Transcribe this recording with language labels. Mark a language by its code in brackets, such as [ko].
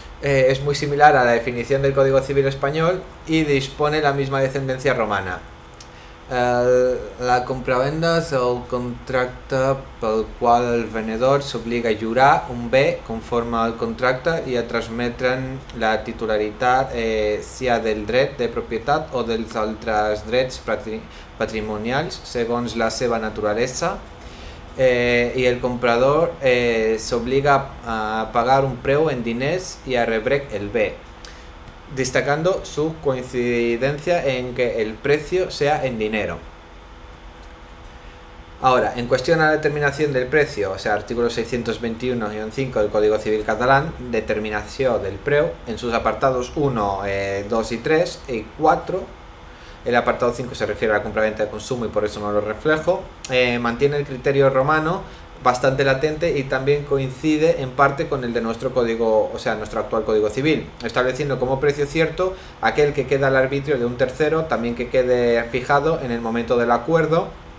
[es] Es muy similar a la definición del Código Civil Español y dispone la misma descendencia romana. [ca] La compravenda es el contracte pel qual el venedor s'obliga a jurar un bé conforme al contracte i a transmetre'n la titularitat sia del dret de propietat o dels altres drets patrimonials segons la seva naturalesa i el comprador s'obliga a pagar un preu en diners i a rebre el bé, [es] destacando su coincidencia en que el precio sea en dinero. Ahora, en cuestión a la determinación del precio, o sea, artículo 621-5 del Código Civil Catalán, determinación del preu, en sus apartados 1, 2 y 3 y 4, el apartado 5 se refiere a la compraventa de consumo y por eso no lo reflejo, mantiene el criterio romano bastante latente y también coincide en parte con el de nuestro código, o sea, nuestro actual Código Civil, estableciendo como precio cierto aquel que queda al arbitrio de un tercero, también que quede fijado en el momento del acuerdo,